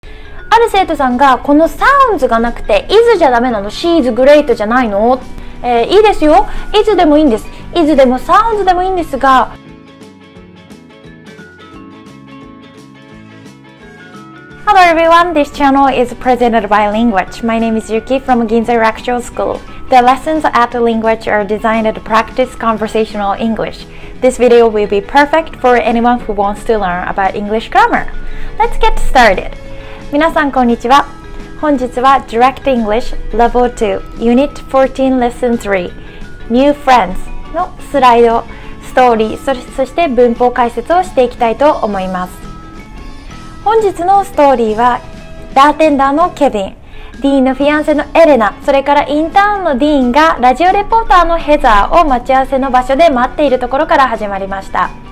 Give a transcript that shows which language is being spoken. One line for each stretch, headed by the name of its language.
Japanese: ある生徒さんが、このサウンズがなくて is じゃダメなの、 she is great じゃないの、いいですよ、 is でもいいんです、 is でも sounds でもいいんですが、
English: Hello everyone, this channel is presented by Language. My name is Yuki from Ginza Rakuchou School. The lessons at Language are designed to practice conversational English. This video will be perfect for anyone who wants to learn about English grammar. Let's get started.
Japanese: 皆さんこんにちは。本日は Direct English Level 2 Unit 14 Lesson 3 New Friends のスライド、ストーリー、そして文法解説をしていきたいと思います。本日のストーリーは、バーテンダーのケビン、ディーンのフィアンセのエレナ、それからインターンのディーンがラジオレポーターのヘザーを待ち合わせの場所で待っているところから始まりました。